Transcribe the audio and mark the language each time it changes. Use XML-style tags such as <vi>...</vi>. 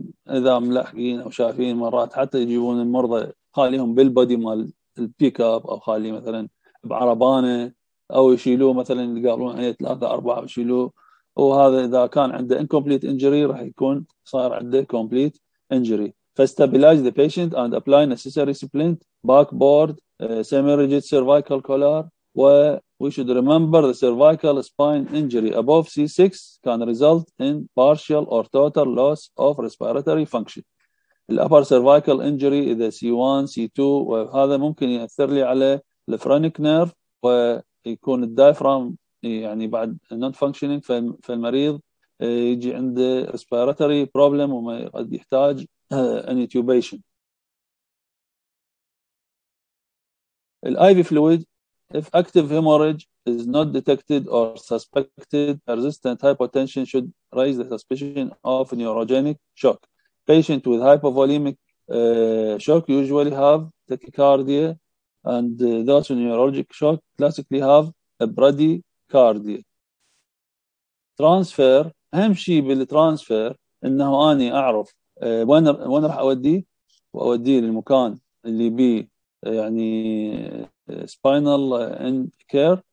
<ar>اذا ملاحقين او شايفين مرات حتى يجيبون المرضى خاليهم بالبودي مال البيك اب او خاليه مثلا بعربانه او يشيلوه مثلا يقابلون عليه 3-4 يشيلوه. وهذا اذا كان عنده انكمبليت انجري راح يكون صار عنده كومبليت انجري.</ar> <en>فاستابلايز the patient and apply necessary splint back board semi rigid cervical collar. و we should remember the cervical spine injury above C6 can result in partial or total loss of respiratory function. The upper cervical injury is C1, C2</en> <ar>وهذا ممكن يأثر لي على</ar> <en>the phrenic nerve</en> <ar>ويكون الدايفرام يعني بعد</ar> <en>not functioning</en> <ar>فالمريض يجي عنده</ar> <en>respiratory problem</en> <ar>وما قد يحتاج</ar> <en>an intubation. The IV fluid if active hemorrhage is not detected or suspected, persistent hypotension should raise the suspicion of neurogenic shock. Patients with hypovolemic shock usually have tachycardia, and those with neurologic shock classically have a bradycardia.</en> <ar>Transfer, أهم شيء بالترانسفير إنه أنا أعرف وين راح أوديه وأوديه للمكان اللي بي يعني spinal care.</ar>